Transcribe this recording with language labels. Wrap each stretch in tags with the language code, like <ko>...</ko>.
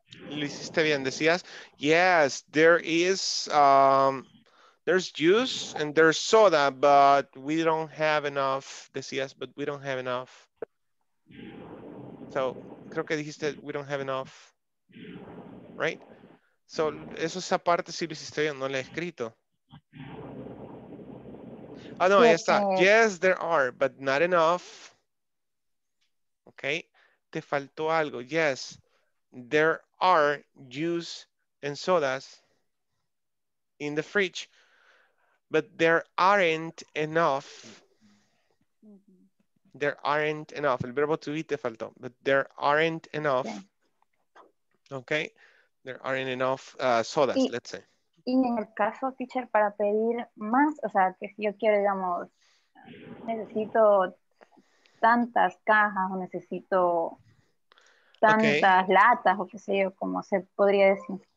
<es>Lo hiciste bien, decías,</es> <en>yes, there is, there's juice and there's soda, but we don't have enough, decías, but we don't have enough. So,</en> <es>creo que dijiste,</es> <en>we don't have enough, right?</en> <es>So, eso esa parte sí lo hiciste bien, no la he escrito. Ah, no, ahí está.</es> <en>Yes, there are, but not enough. Okay.</en> <es>Te faltó algo.</es> <en>Yes, there are juice and sodas in the fridge, but there aren't enough. There aren't enough.</en> <es>El verbo to be te faltó,</es> <en>but there aren't enough. Okay. There aren't enough sodas, y, let's say.</en> <es>Y en el caso, teacher, para pedir más, o sea, que si yo quiero, digamos, necesito tantas cajas o necesito tantas okay. latas o qué sé yo, como se podría decir.</es>